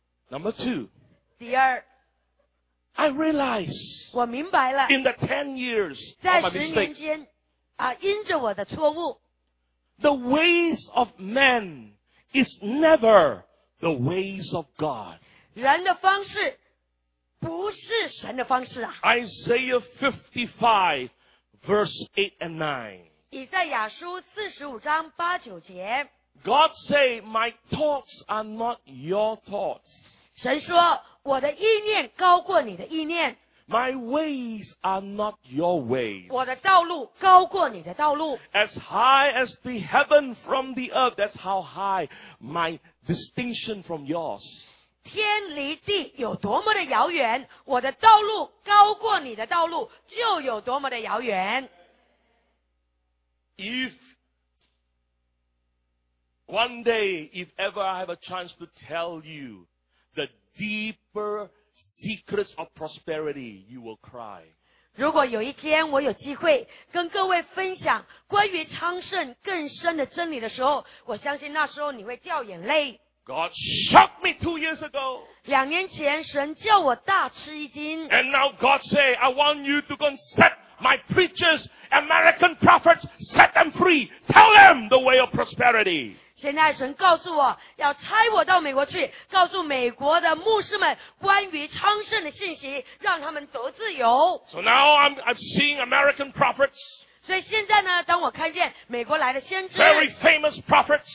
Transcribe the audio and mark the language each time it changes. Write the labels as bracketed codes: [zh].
[en] Number two， [zh] 第二。 [en] I realize， [zh] 我明白了。 [en] In the 10 years， [zh] 在十年间，啊，因着我的错误。 [en] The ways of man is never the ways of God. [zh] 人的方式不是神的方式啊。 [en] Isaiah 55 verse 8 and 9. [zh] 以赛亚书45章八九节。 [en] God say, my thoughts are not your thoughts. [zh] 神说，我的意念高过你的意念。 [en] My ways are not your ways. [zh] 我的道路高过你的道路。 [en] As high as the heaven from the earth, that's how high my distinction from yours. [zh] 天离地有多么的遥远，我的道路高过你的道路就有多么的遥远。 [en] If one day, if ever I have a chance to tell you the deeper secrets of prosperity, you will cry. [zh] 如果有一天我有机会跟各位分享关于昌盛更深的真理的时候，我相信那时候你会掉眼泪。 [en] God shocked me 2 years ago. [zh] 两年前神叫我大吃一惊。 [en] And now God say, I want you to go and set my preachers, American prophets, set them free. Tell them the way of prosperity. [zh] 现在神告诉我要差我到美国去，告诉美国的牧师们关于昌盛的信息，让他们得自由。 [en] So now I've seen American prophets. [zh] 所以现在呢，当我看见美国来的先知， [en] very famous prophets,